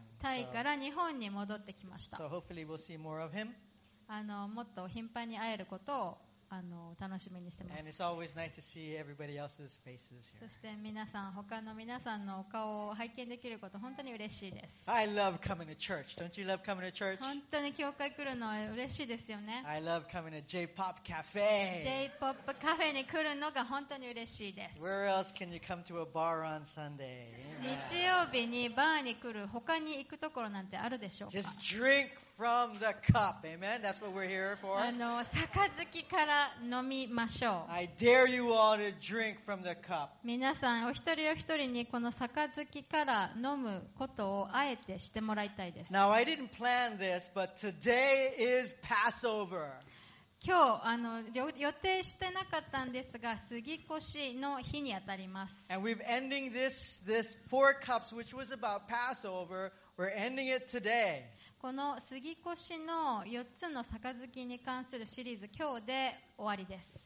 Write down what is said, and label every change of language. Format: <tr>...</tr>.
<ja>タイから日本に戻ってきました。</ja> <en>So hopefully we'll see more of him.</en> <ja>もっと頻繁に会えることを楽しみにしてます。</ja> <en>And it's always nice to see everybody else's faces here.</en> <ja>そして皆さん、他の皆さんのお顔を拝見できること本当に嬉しいです。</ja> <en>I love coming to church. Don't you love coming to church?</en> <ja>本当に教会来るの嬉しいですよね。</ja> <en>I love coming to J-pop cafe.</en> <ja>J-pop カフェに来るのが本当に嬉しいです。</ja> <en>Where else can you come to a bar on Sunday?</en> <ja>日曜日にバーに来る他に行くところなんてあるでしょうか。</ja> <en>Just drink from the cup. Amen. That's what we're here for.</en> <ja>杯から飲みましょう。</ja> <en>I dare you all to drink from the cup.</en> <ja>皆さんお一人お一人にこの杯から飲むことをあえてしてもらいたいです。</ja> <en>Now, I didn't plan this, but today is Passover.</en> <ja>今日予定してなかったんですが過ぎ越しの日にあたります。</ja> <en>And we've ending this four cups, which was about Passover, we're ending it today.</en> <ja>この過ぎ越しの4つの杯に関するシリーズ今日で終わりです。</ja>